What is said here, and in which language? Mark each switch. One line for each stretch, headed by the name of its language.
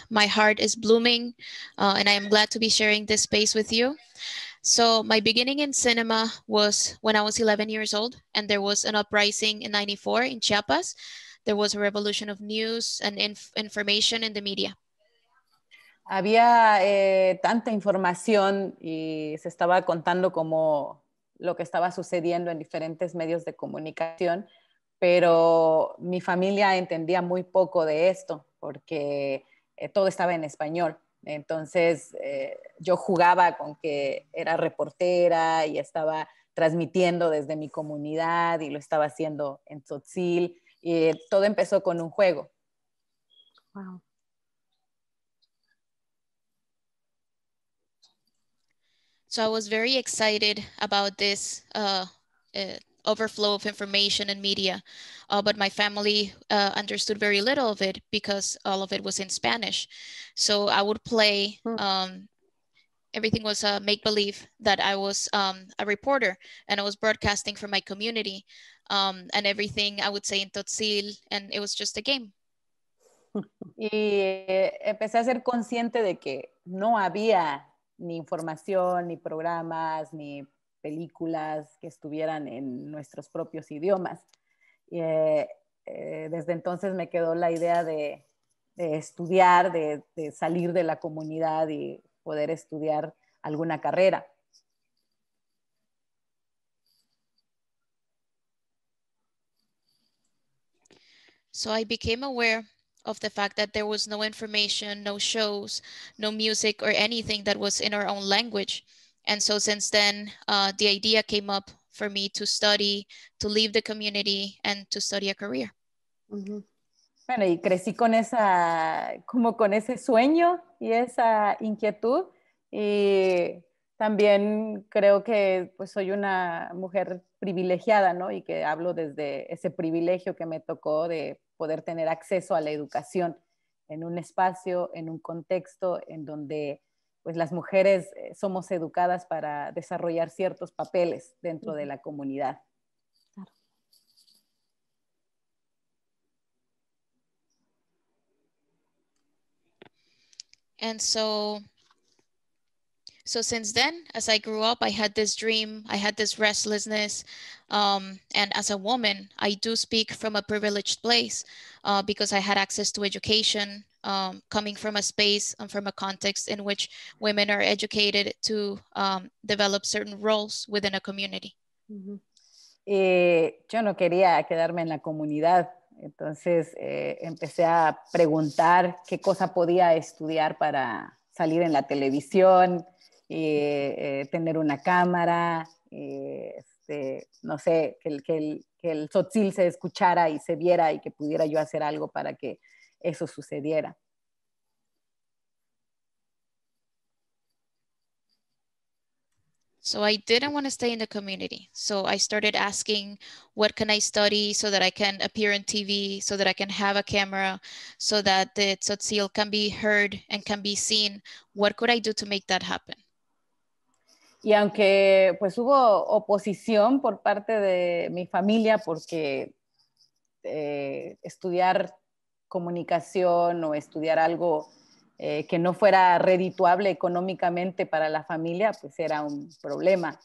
English: My heart is blooming, and I am glad to be sharing this space with you. So my beginning in cinema was when I was 11 years old, and there was an uprising in 94 in Chiapas. There was a revolution of news and information in the media.
Spanish: Había tanta información y se estaba contando como lo que estaba sucediendo en diferentes medios de comunicación. Pero mi familia entendía muy poco de esto porque todo estaba en español. Entonces yo jugaba con que era reportera y estaba transmitiendo desde mi comunidad y lo estaba haciendo en Tzotzil. Y todo empezó con un juego. Wow.
English: So I was very excited about this overflow of information and media, but my family understood very little of it because all of it was in Spanish. So I would play, everything was a make-believe that I was a reporter and I was broadcasting for my community and everything I would say in Tzotzil, and it was just a game.
Spanish: Y empecé a ser consciente de que no había ni información, ni programas, ni películas que estuvieran en nuestros propios idiomas. Desde entonces me quedó la idea de estudiar, de salir de la comunidad y poder estudiar alguna carrera.
English: So I became aware of the fact that there was no information, no shows, no music or anything that was in our own language. And so since then, the idea came up for me to study, to leave the community and to study a career. Mm-hmm.
Spanish: Bueno, y crecí con esa, como con ese sueño y esa inquietud. Y También creo que pues soy una mujer privilegiada, ¿no? Y que hablo desde ese privilegio que me tocó de poder tener acceso a la educación en un espacio, en un contexto en donde pues las mujeres somos educadas para desarrollar ciertos papeles dentro de la comunidad.
English: And so since then, as I grew up, I had this dream, I had this restlessness. And as a woman, I do speak from a privileged place because I had access to education, coming from a space and from a context in which women are educated to develop certain roles within a community.
Spanish: Mm-hmm. Yo no quería quedarme en la comunidad. Entonces empecé a preguntar qué cosa podía estudiar para salir en la televisión, tener una cámara, que el Tzotzil se escuchara y se viera y que pudiera yo hacer algo para que eso sucediera.
English: So I didn't want to stay in the community. So I started asking, what can I study so that I can appear in TV, so that I can have a camera, so that the Tzotzil can be heard and can be seen? What could I do to make that happen?
Spanish: Y aunque pues hubo oposición por parte de mi familia porque estudiar comunicación o estudiar algo que no fuera redituable económicamente para la familia, pues era un problema.